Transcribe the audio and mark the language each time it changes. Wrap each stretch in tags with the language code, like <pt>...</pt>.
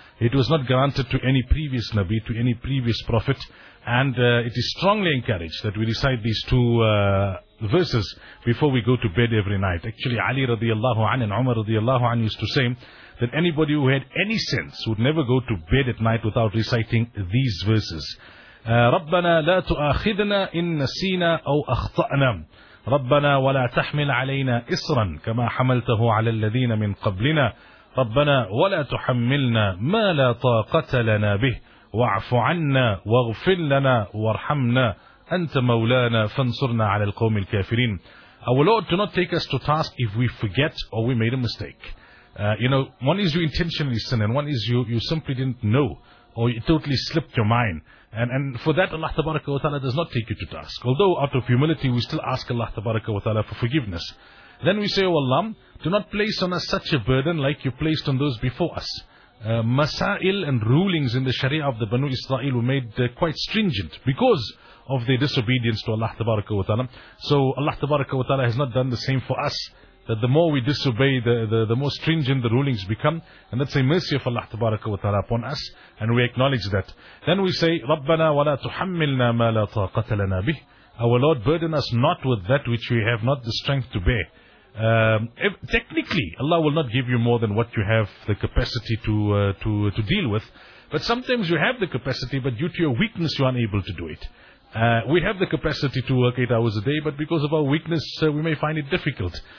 <en>It was not granted to any previous Nabi, to any previous Prophet. And it is strongly encouraged that we recite these two verses before we go to bed every night. Actually, Ali radiallahu anhu and Umar radiallahu anhu used to say that anybody who had any sense would never go to bed at night without reciting these verses.</en> <ar>ربنا لا تؤاخذنا إن نسينا أو أخطأنا ربنا ولا تحمل علينا إصرا كما حملته على الذين من قبلنا ربنا ولا تحملنا ما لا طاقة لنا به واعف عنا واغفر لنا وارحمنا أنت مولانا فانصرنا على القوم الكافرين.</ar> <en>Our Lord, do not take us to task if we forget or we made a mistake. One is you intentionally sin and one is you simply didn't know or it totally slipped your mind. And for that, Allah tabaraka wa ta'ala does not take you to task. Although out of humility, we still ask Allah tabaraka wa ta'ala for forgiveness. Then we say, O Allah, do not place on us such a burden like you placed on those before us. Masail and rulings in the Sharia of the Banu Israel were made quite stringent because of their disobedience to Allah tabaraka wa ta'ala. So Allah tabaraka wa ta'ala has not done the same for us. That the more we disobey, the more stringent the rulings become. And that's a mercy of Allah tabaraka wa ta'ala upon us. And we acknowledge that. Then we say,</en> <ar>رَبَّنَا وَلَا تُحَمِّلْنَا مَا لَا طَاقَةَ لَنَا بِهِ.</ar> <en>Our Lord, burden us not with that which we have not the strength to bear. Technically, Allah will not give you more than what you have the capacity to deal with. But sometimes you have the capacity, but due to your weakness you are unable to do it. We have the capacity to work 8 hours a day, but because of our weakness, we may find it difficult.</en>